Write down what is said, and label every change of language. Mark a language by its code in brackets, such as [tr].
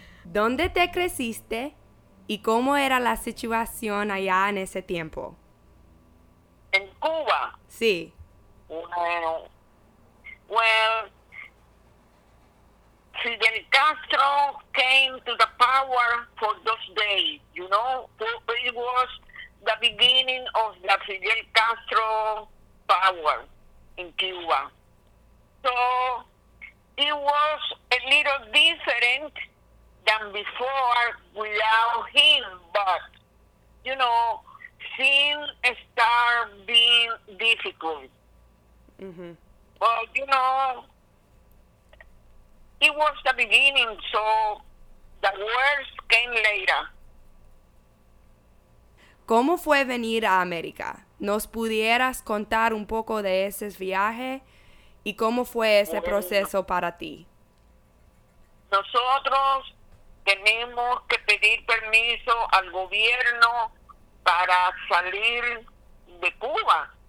[es] ¿Dónde te creciste y cómo era la situación allá en ese tiempo? En Cuba. Sí. [en] Well, Fidel Castro came to the power for those days, you know? It was the beginning of the Fidel Castro power in Cuba. So it was a little different than before without him, but, you know, things start being difficult. Mm-hmm. Well, you know, it was the beginning, so the worst came later. [es] ¿Cómo fue venir a América? ¿Nos pudieras contar un poco de ese viaje y cómo fue ese proceso para ti? Nosotros tenemos que pedir permiso al gobierno para salir de Cuba.